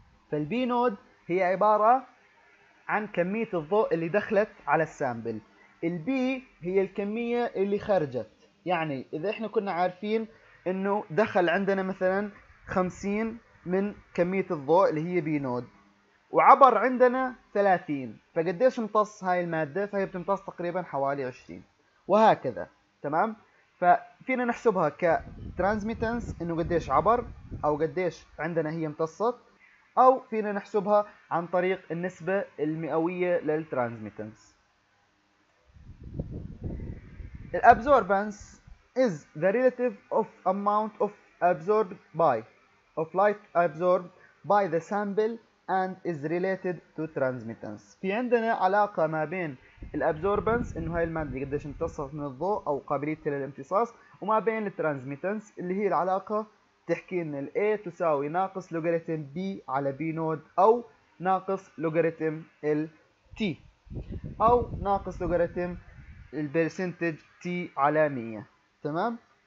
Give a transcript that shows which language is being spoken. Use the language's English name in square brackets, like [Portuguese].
[Arabic] فالبي نود هي عبارة عن كمية الضوء اللي دخلت على السامبل، البي هي الكمية اللي خرجت، يعني إذا إحنا كنا عارفين إنه دخل عندنا مثلا 50 من كمية الضوء اللي هي بي نود وعبر عندنا 30، فقديش امتص هاي المادة؟ فهي بتمتص تقريبا حوالي 20 وهكذا. تمام. ففينا نحسبها كترانسميتنس إنه قديش عبر أو قديش عندنا هي امتصت، أو فينا نحسبها عن طريق النسبة المئوية للترانسميتنس. [English] الأبزوربانس is the relative of amount of absorbed by of light absorbed by the sample and is related to transmittance. [Arabic] في عندنا علاقة ما بين الأبزوربانس إنه هاي المادة قديش امتصت من الضوء أو قابلية للامتصاص، وما بين الترانسميتنس اللي هي العلاقة تحكي ان الـ A تساوي ناقص لوغاريتم B على B نود او ناقص لوغاريتم الـ T او ناقص لوغاريتم الـ percentage T على 100. تمام.